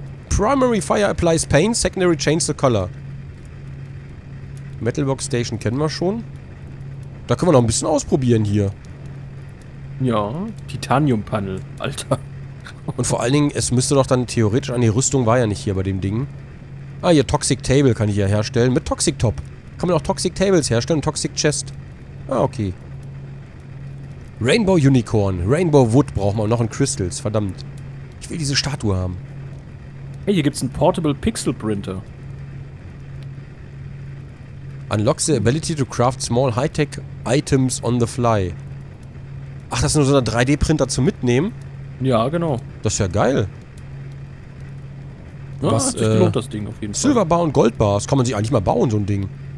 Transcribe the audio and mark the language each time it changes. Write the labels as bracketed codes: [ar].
[en] Primary Fire applies paint, secondary change the color. [de] Metalbox Station kennen wir schon. Da können wir noch ein bisschen ausprobieren hier. Ja, Titanium Panel, Alter. Und vor allen Dingen, es müsste doch dann theoretisch an die Rüstung, war ja nicht hier bei dem Ding. Ah, hier Toxic Table kann ich ja herstellen. Mit Toxic Top. Kann man auch Toxic Tables herstellen und Toxic Chest. Ah, okay. Rainbow Unicorn. Rainbow Wood braucht man. Und noch ein Crystals. Verdammt. Ich will diese Statue haben. Hey, hier gibt's einen Portable Pixel Printer. [en] Unlock the ability to craft small high-tech items on the fly. [de] Ach, das ist nur so ein 3D-Printer zum Mitnehmen. Ja, genau. Das ist ja geil. Ja, was, hat sich gelohnt, das Ding auf jeden Fall. Silberbar und Goldbar, das kann man sich eigentlich mal bauen, so ein Ding.